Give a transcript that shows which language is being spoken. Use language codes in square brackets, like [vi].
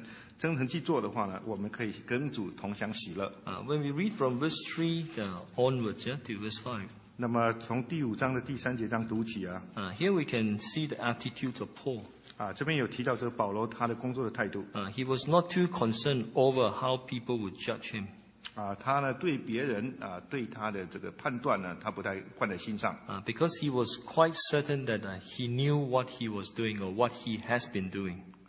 [zh] 若是我们真的在工作上真诚去做的话呢，我们可以跟主同享喜乐。 [en] When we read from verse 3 onwards to verse 5, [zh] 那么从第五章的第三节章读起啊, [en] here we can see the attitude of Paul. [zh] 这边有提到这个保罗他的工作的态度。 [en] He was not too concerned over how people would judge him. [zh] 他呢对别人对他的这个判断呢，他不太放在心上。 [en] Because he was quite certain that he knew what he was doing or what he has been doing.